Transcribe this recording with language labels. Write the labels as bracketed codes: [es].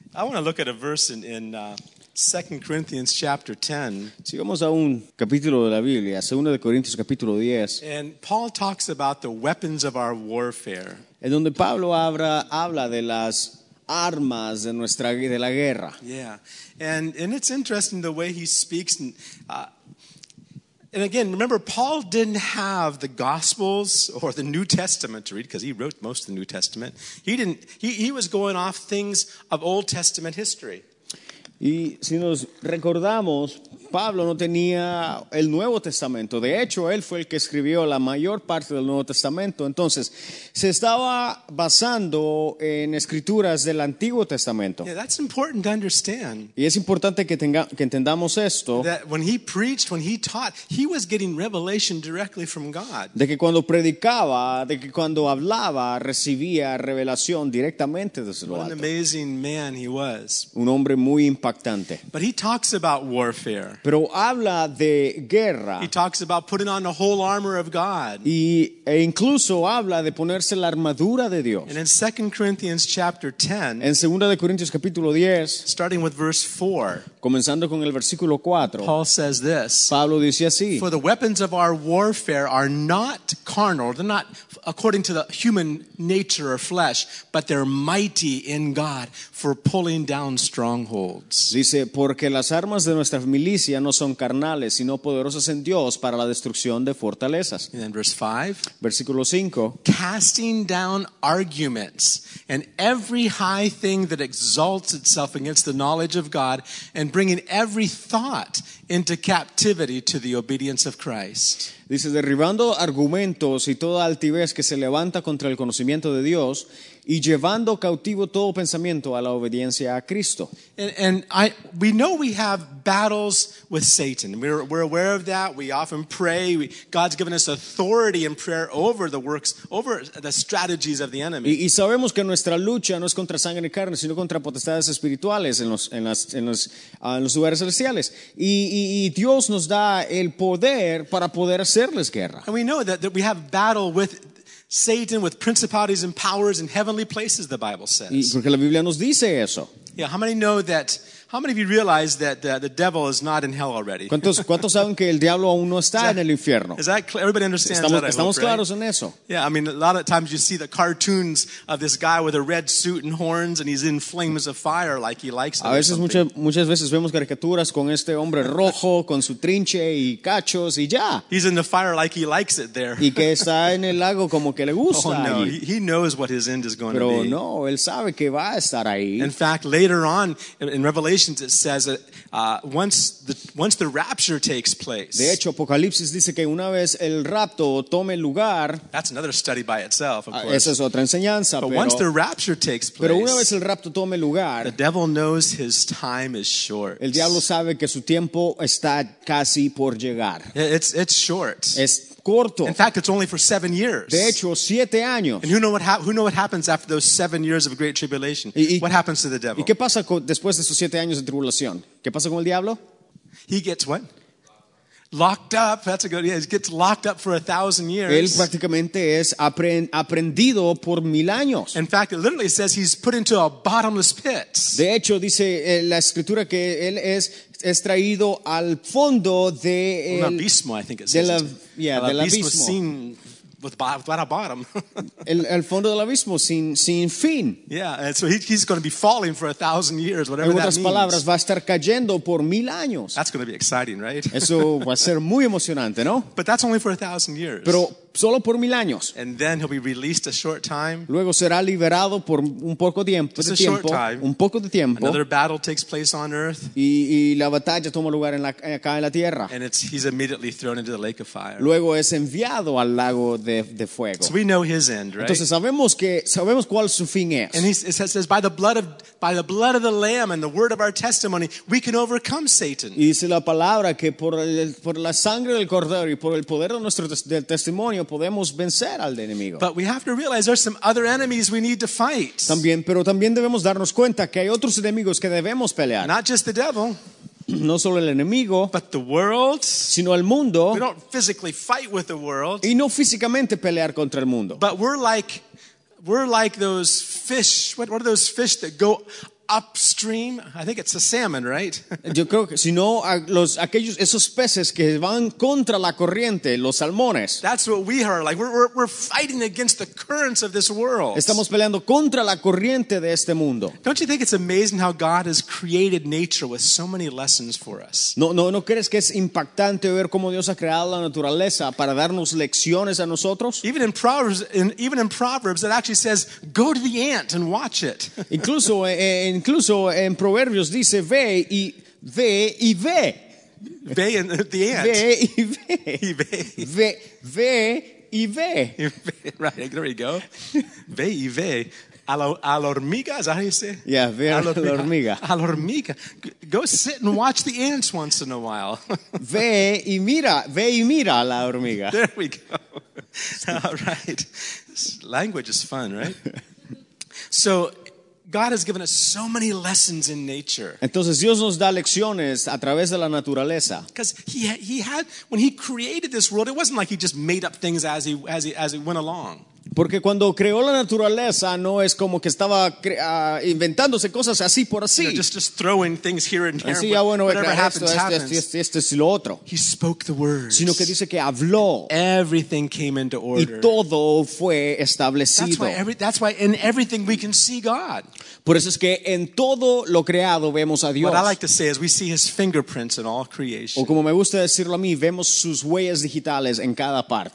[en] I want to look at a verse in 2 Corinthians chapter 10. [es] Sigamos a un capítulo de la Biblia, 2 de Corintios capítulo 10. [en] And Paul talks about the weapons of our warfare. [es] En donde Pablo habla de las armas de nuestra de la guerra. [en] Yeah. And it's interesting the way he speaks and again, remember Paul didn't have the Gospels or the New Testament to read because he wrote most of the New Testament. He was going off things of Old Testament history. [es] Y si nos recordamos, Pablo no tenía el Nuevo Testamento. De hecho, él fue el que escribió la mayor parte del Nuevo Testamento. Entonces, se estaba basando en escrituras del Antiguo Testamento. [en] Yeah, that's important to understand. [es] Y es importante que entendamos esto. [en] That when he preached, when he taught, he was getting revelation directly from God. [es] De que cuando predicaba, de que cuando hablaba, recibía revelación directamente desde lo alto. [en] What an amazing man he was. [es] Un hombre muy impactante. [en] But he talks about warfare. [es] Pero habla de guerra. [en] He talks about putting on the whole armor of God. [es] Y, e incluso habla de ponerse la armadura de Dios. [en] And in 2 Corinthians chapter 10, [es] en 2 de Corintios capítulo 10, [en] starting with verse 4, [es] comenzando con el versículo 4, [en] Paul says this, [es] Pablo dice así, [en] for the weapons of our warfare are not carnal, they're not according to the human nature or flesh, but they're mighty in God for pulling down strongholds. [es] Dice, porque las armas de nuestra milicia no son carnales, sino poderosas en Dios para la destrucción de fortalezas. [en] And then verse 5, [es] versículo 5, [en] casting down arguments and every high thing that exalts itself against the knowledge of God, and bringing every thought into captivity to the obedience of Christ. [es] Dice, derribando argumentos y toda altivez que se levanta contra el conocimiento de Dios, y llevando cautivo todo pensamiento a la obediencia a Cristo. [en] And we know we have battles with Satan. We're aware of that. We often pray. God's given us authority in prayer over the works, over the strategies of the enemy. [es] Y sabemos que nuestra lucha no es contra sangre ni carne, sino contra potestades espirituales en los lugares celestiales. Y Dios nos da el poder para poder hacerles guerra. [en] And we know that we have battle with Satan, with principalities and powers in heavenly places, the Bible says. [es] Y porque la Biblia nos dice eso. [en] Yeah, how many of you realize that the devil is not in hell already? [es] ¿Cuántos saben que el diablo aún no está en el infierno? [en] Is that clear? Everybody understands [es] estamos claros, [en] right? [es] En eso. [en] Yeah, I mean, a lot of times you see the cartoons of this guy with a red suit and horns and he's in flames of fire like he likes it. [es] A veces, muchas veces vemos caricaturas con este hombre rojo, con su trinche y cachos y ya. [en] He's in the fire like he likes it there. [es] Y que está en el lago como que le gusta. [en] Oh, no, he knows what his end is going [es] Pero [en] to be. [es] Pero no, él sabe que va a estar ahí. [en] In fact, later on in Revelation, it says once the rapture takes place. [es] De hecho, Apocalipsis dice que una vez el rapto tome lugar. [en] That's another study by itself, of course. [es] Esa es otra enseñanza. [en] But once the rapture takes place. [es] Pero una vez el rapto tome lugar. [en] The devil knows his time is short. [es] El diablo sabe que su tiempo está casi por llegar. [en] It's short. [es] Es corto. [en] In fact, it's only for 7 years. [es] De hecho, 7 años. [en] And who know what happens after those 7 years of great tribulation? What happens to the devil? [es] ¿Y qué pasa después de esos 7 años de tribulación? ¿Qué pasa con el diablo? [en] He gets what? Locked up. That's a good. Yeah, he gets locked up for 1,000 years. [es] Él prácticamente es aprendido por 1,000 años. [en] In fact, it literally says he's put into a bottomless pit. [es] De hecho, dice la escritura que él es traído al fondo de el abismo. [en] I think it says. [es] Del abismo. [en] Seen without a bottom. [es] El fondo del abismo sin fin. [en] Yeah, and so he's going to be falling for 1,000 years, whatever that means. [es] En otras palabras, va a estar cayendo por 1,000 años. [en] That's going to be exciting, right? [es] Eso va a ser muy emocionante, ¿no? [en] But that's only for 1,000 years. [es] Pero solo por 1,000 años. [en] And then he'll be released a short time. [es] Luego será liberado por un poco tiempo. [en] Just [es] de tiempo, [en] a short time. [es] Un poco de tiempo. [en] Another battle takes place on earth. [es] Y la batalla toma lugar acá en la tierra. [en] And he's immediately thrown into the lake of fire. [es] Luego es enviado al lago de fuego. [en] So we know his end, right? [es] Entonces sabemos cuál su fin es. [en] And he says, by the blood of the Lamb and the word of our testimony, we can overcome Satan. [es] Y dice la palabra que por la sangre del cordero y por el poder de nuestro del testimonio podemos vencer al enemigo. [en] But we have to realize there's some other enemies we need to fight. [es] También, pero también debemos darnos cuenta que hay otros enemigos que debemos pelear. [en] Not just the devil. [es] No solo el enemigo, [en] but the world, [es] sino el mundo. [en] We don't physically fight with the world. [es] Y no físicamente pelear contra el mundo. [en] But we're like those fish. What are those fish that go upstream. I think it's the salmon, right? [es] Yo creo que si no los aquellos esos peces que van contra la corriente, los salmones. [en] That's what we are like. We're fighting against the currents of this world. [es] Estamos peleando contra la corriente de este mundo. [en] Don't you think it's amazing how God has created nature with so many lessons for us? [es] No crees que es impactante ver cómo Dios ha creado la naturaleza para darnos lecciones a nosotros? [en] Even in Proverbs, it actually says, "Go to the ant and watch it." [es] Incluso en Proverbios dice ve y ve y ve. [en] Ve and the ant. [es] Ve y ve. Ve. Ve y ve. [en] Right, there you go. [es] Ve y ve. A la hormiga, [en] is that how you say? [es] Yeah, ve a la hormiga. A la hormiga. [en] Go sit and watch the ants once in a while. [es] Ve y mira a la hormiga. [en] There we go. All right. Language is fun, right? So, God has given us so many lessons in nature. [es] Entonces Dios nos da lecciones a través de la naturaleza. [en] Because he had when he created this world, it wasn't like he just made up things as he went along. [es] Porque cuando creó la naturaleza no es como que estaba inventándose cosas así por así. [en] You know, just throwing things here and there. [es] Así, ya, bueno, [en] whatever happens, [es] lo otro. [en] He spoke the words. [es] Sino que dice que habló. [en] Everything came into order. [es] Y todo fue establecido. [en] That's why in everything we can see God. [es] Por eso es que en todo lo creado vemos a Dios. [en] What I like to say is we see his fingerprints in all creation. [es] O como me gusta decirlo a mí, vemos sus huellas digitales en cada parte.